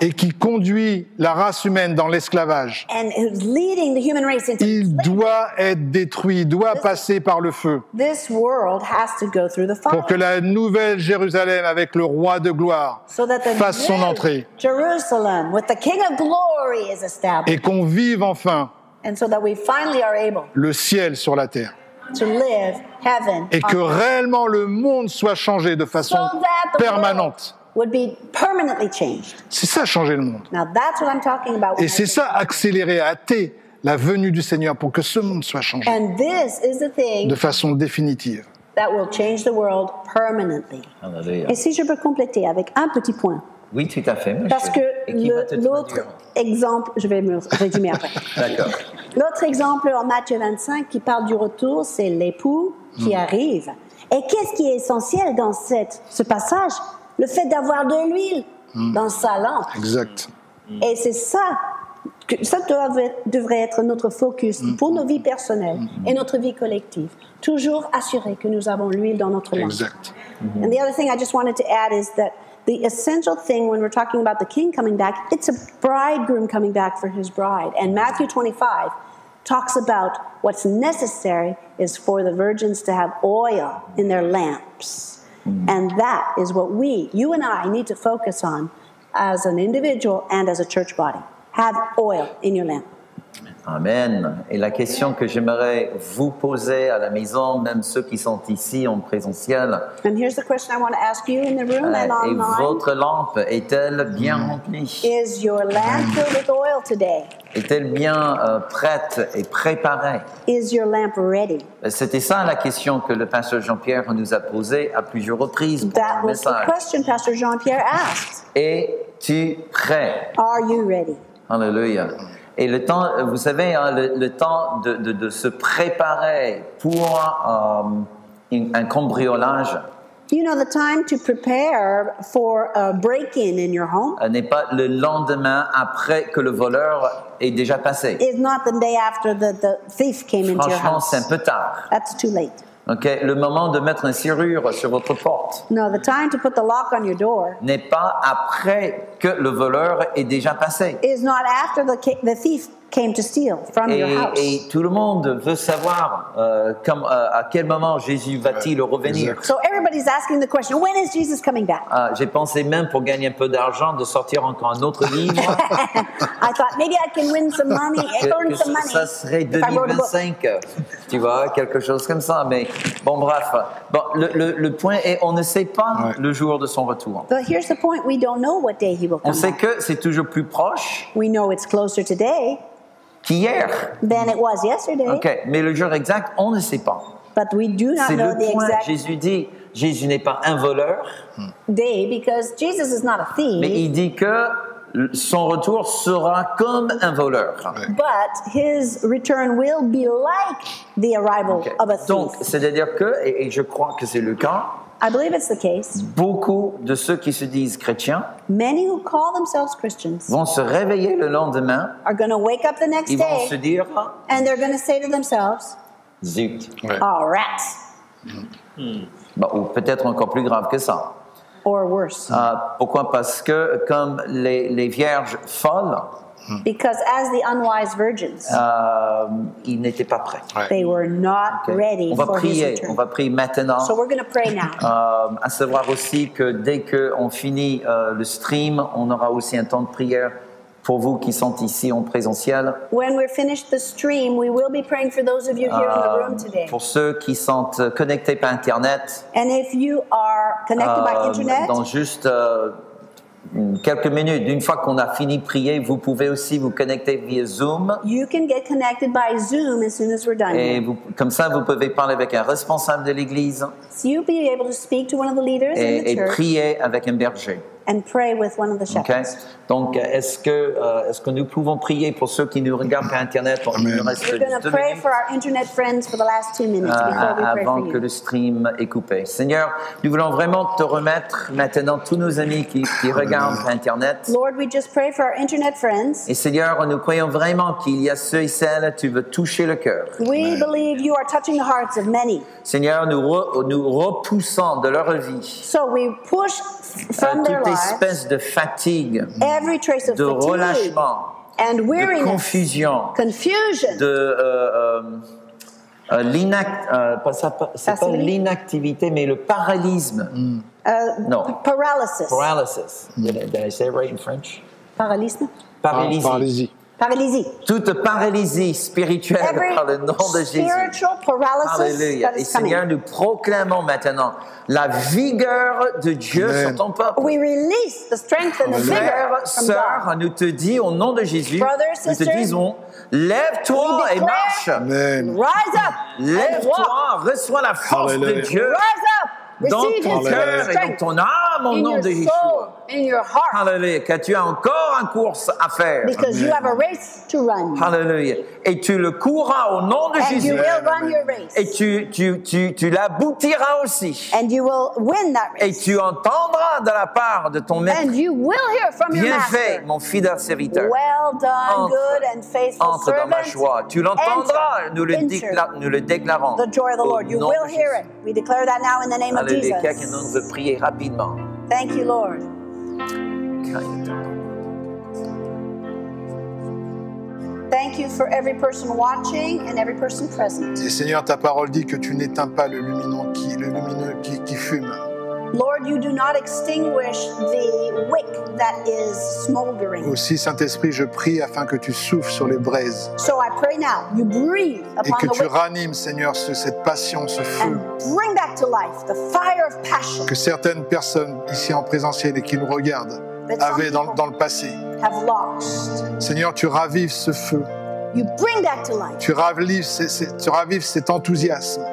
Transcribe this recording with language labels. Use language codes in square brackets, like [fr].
[fr] et qui conduit la race humaine dans l'esclavage, [en] and is leading the human race into [fr] il doit être détruit, doit [en] this, [fr] passer par le feu [en] this world has to go through the fire. [fr] Pour que la nouvelle Jérusalem avec le roi de gloire [en] so that the [fr] fasse son entrée [en] Jerusalem with the king of glory is established, [fr] et qu'on vive enfin [en] and so that we finally are able [fr] le ciel sur la terre. [en] To live heaven [fr] et que réellement le monde soit changé de façon permanente. [en] Would be permanently changed. [fr] C'est ça changer le monde. [en] Now that's what I'm talking about. [fr] Et c'est ça accélérer, hâter la venue du Seigneur pour que ce monde soit changé. [en] And this is the thing [fr] de façon définitive. [en] That will change the world permanently. [fr] Alléluia. Et si je peux compléter avec un petit point. Oui, tout à fait, monsieur. Parce que l'autre exemple, je vais me résumer après. D'accord. L'autre exemple en Matthieu 25 qui parle du retour, c'est l'époux qui arrive. Et qu'est-ce qui est essentiel dans ce passage? Le fait d'avoir de l'huile dans sa lampe. Exact. Et c'est ça, que ça devrait être notre focus pour nos vies personnelles et notre vie collective. Toujours assurer que nous avons l'huile dans notre lampe. Exact. [en] And the other thing I just wanted to add is that the essential thing when we're talking about the king coming back, it's a bridegroom coming back for his bride. And Matthew 25 talks about what's necessary is for the virgins to have oil in their lamps. And that is what we, you and I, need to focus on as an individual and as a church body. Have oil in your lamp. Amen. [fr] Et la question que j'aimerais vous poser à la maison, même ceux qui sont ici en présentiel, [en] and here's the question I want to ask you in the room and online. [fr] Et votre lampe est-elle bien remplie? [en] Is your lamp filled with oil today? [fr] Est-elle bien prête et préparée? [en] Is your lamp ready? [fr] C'était ça la question que le pasteur Jean-Pierre nous a posée à plusieurs reprises pour le message. [en] That was the question Pastor Jean-Pierre asked. [fr] Es-tu prêt? [en] Are you ready? [fr] Alléluia. Et le temps, vous savez, hein, le temps de se préparer pour un cambriolage. [en] You know the time to prepare for a break-in in your home. [fr] N'est pas le lendemain après que le voleur est déjà passé. [en] It's not the day after the thief came into your house. [fr] Franchement, c'est un peu tard. [en] That's too late. [fr] Okay, le moment de mettre une serrure sur votre porte. [en] No, the time to put the lock on your door. [fr] N'est pas après que le voleur est déjà passé. [en] Is not after the thief came to steal from your house. [fr] Et tout le monde veut savoir à quel moment Jésus va-t-il revenir. [en] So everybody's asking the question, when is Jesus coming back? [fr] J'ai pensé même pour gagner un peu d'argent de sortir encore un autre livre. [en] I thought maybe I can win some money, earn some money. [fr] Ça serait 2025, tu vois, quelque chose comme ça. Mais bon, bref. Bon, le point est, on ne sait pas le jour de son retour. [en] But here's the point, we don't know what day he will come. [fr] On sait que c'est toujours plus proche. [en] We know it's closer today. [fr] Hier. [en] Than it was yesterday. [fr] Okay, mais le jour exact, on ne sait pas. [en] But we do not [fr] c'est [en] know [fr] le [en] the [fr] point. Exact. Jésus dit, Jésus n'est pas un voleur. [en] Day, because Jesus is not a thief. [fr] Mais il dit que son retour sera comme un voleur. [en] But his return will be like the arrival of a thief. [fr] Donc, c'est-à-dire que, et je crois que c'est le cas. [en] I believe it's the case. [fr] Beaucoup de ceux qui se disent chrétiens, [en] many who call themselves Christians, [fr] vont se réveiller le lendemain. [en] Are going to wake up the next day. [fr] Ils vont se dire, [en] and they're going to say to themselves, [fr] zut. [en] Oh, rats. [fr] Bon, ou peut-être encore plus grave que ça. [en] Or worse. [fr] Pourquoi? Parce que comme les vierges folles. [en] Because as the unwise virgins, [fr] ils n'étaient pas prêts. [en] Right. They were not ready [fr] on va [en] for [fr] prier, [en] his return. [fr] On va prier maintenant. [en] So we're going to pray now. [fr] À savoir aussi que dès qu'on finit le stream, on aura aussi un temps de prière pour vous qui sont ici en présentiel. [en] When we're finished the stream, we will be praying for those of you here in the room today. [fr] Pour ceux qui sont connectés par Internet. [en] And if you are connected by Internet. [fr] Dans juste... quelques minutes. Une fois qu'on a fini de prier, vous pouvez aussi vous connecter via Zoom. [en] You can get connected by Zoom as soon as we're done. [fr] Et vous, comme ça, vous pouvez parler avec un responsable de l'église. [en] So you'll be able to speak to one of the leaders in the church. [fr] Et prier avec un berger. [en] And pray with one of the shepherds. Okay. [fr] Donc, est-ce que nous pouvons prier pour ceux qui nous regardent par Internet pour le reste de 2 minutes? [en] We're going to pray for our Internet friends for the last 2 minutes before we pray for you. [fr] Avant que le stream est coupé. Seigneur, nous voulons vraiment te remettre maintenant tous nos amis qui regardent par Internet. [en] Lord, we just pray for our Internet friends. [fr] Et Seigneur, nous croyons vraiment qu'il y a ceux et celles que tu veux toucher le cœur. [en] We believe you are touching the hearts of many. [fr] Seigneur, nous repoussons de leur vie. [en] So we push from their lives. [fr] Espèce de fatigue, [en] every trace of [fr] de [en] fatigue, [fr] relâchement, [en] and weariness, [fr] de confusion, de l'inactivité, mais le paralysme. [en] Paralysis. Paralysis. Did I say it right in French? [fr] Paralysme. Paralysie. Paralysie. Paralysie. Toute paralysie spirituelle [en] every [fr] par le nom de Jésus. [en] Spiritual paralysis. [fr] Alléluia. Et Seigneur, nous proclamons maintenant la vigueur de Dieu sur ton peuple. [en] We release the strength and the vigor from God. [fr] Frères, sœurs, nous te disons au nom de Jésus, [en] brother, sister, [fr] nous te disons, lève-toi et marche. [en] Amen. Rise up. [fr] Lève-toi, reçois la force Alléluia. De Dieu. [en] Rise up. [fr] Dans ton cœur et dans ton âme, au nom de Jésus. [en] Hallelujah. [fr] Car tu as encore une course à faire. [en] Because Amen. You have a race to run. [fr] Hallelujah. Et tu le courras au nom de [en] and [fr] Jésus. [en] And you will run your race. [fr] Et tu l'aboutiras aussi. [en] And you will win that race. [fr] Et tu entendras de la part de ton maître. [en] And you will hear from [fr] bien [en] your [fr] fait, [en] master. [fr] Mon fidèle serviteur. [en] Well done, [fr] entre, [en] good and faithful [fr] entre [en] servant. [fr] Dans ma joie. Tu l'entendras, [en] enter, [fr] nous, le nous le déclarons. [en] The joy of the Lord. You will hear it. We declare that now in the name of thank you, Lord. Thank you for every person watching and every person present. [fr] Et Seigneur, ta parole dit que tu n'éteins pas le lumineux qui fume. [en] Lord, you do not extinguish the wick that is smoldering. [fr] Aussi, Saint-Esprit, je prie afin que tu souffles sur les braises. [en] So I pray now, you breathe upon the wick. [fr] Et que tu ranimes, Seigneur, cette passion, ce feu. [en] And bring back to life the fire of passion. [fr] Que certaines personnes ici en présentiel et qui nous regardent avaient dans le passé. [en] Have lost. [fr] Seigneur, tu ravives ce feu. [en] You bring that to life. [fr] Tu ravives cet enthousiasme.